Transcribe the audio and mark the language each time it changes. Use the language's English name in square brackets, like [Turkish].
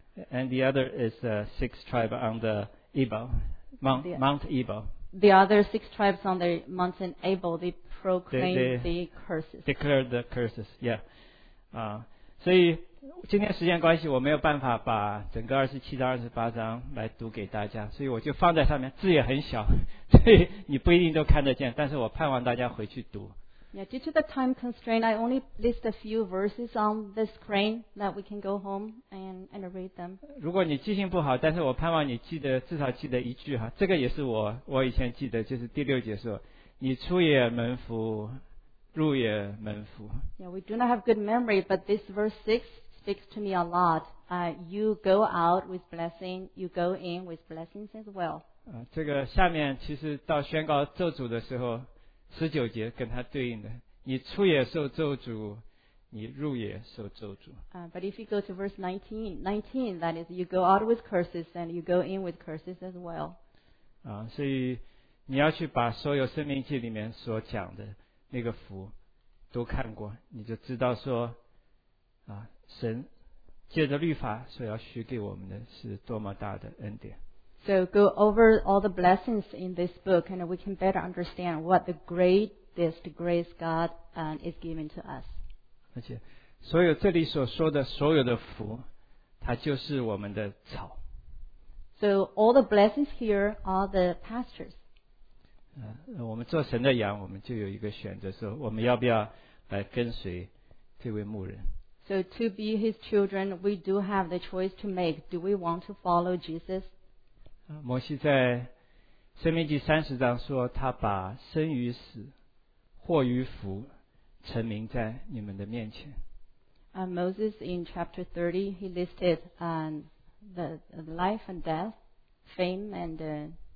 [English] And the other is the six tribes on the Ebal, Mount Ebal. The other six tribes on the mountain Ebal, they proclaim the curses. Declare the curses, yeah. [Chinese] 所以今天时间关系，我没有办法把整个27章、28章来读给大家，所以我就放在上面，字也很小，所以你不一定都看得见，但是我盼望大家回去读。 [English] Yeah, due to the time constraint, I only list a few verses on the screen that we can go home and read them. [Chinese] 如果你记性不好，但是我盼望你记得至少记得一句哈，这个也是我以前记得，就是第六节说，你出也蒙福，入也蒙福。 [English] Yeah, we do not have good memory, but this verse 6 speaks to me a lot. You go out with blessing, you go in with blessings as well. [Chinese] 这个下面其实到宣告咒诅的时候。十九节跟它对应的，你出也受咒诅，你入也受咒诅。 [English] But if you go to verse 19, that is, you go out with curses and you go in with curses as well. [Chinese] 所以你要去把所有生命记里面所讲的那个福都看过，你就知道说，神借着律法所要许给我们的是多么大的恩典。 [English] So go over all the blessings in this book, and we can better understand what the greatest grace God is giving to us. [Chinese] 而且，所有这里所说的所有的福，它就是我们的草。 [English] So all the blessings here are the pastures. [Chinese] 我们做神的羊，我们就有一个选择，说我们要不要来跟随这位牧人。 [English] So to be His children, we do have the choice to make. Do we want to follow Jesus? [Chinese] 摩西在生命记三十章说，他把生与死、祸与福陈明在你们的面前。 [English] Moses in chapter 30, he listed the life and death, fame and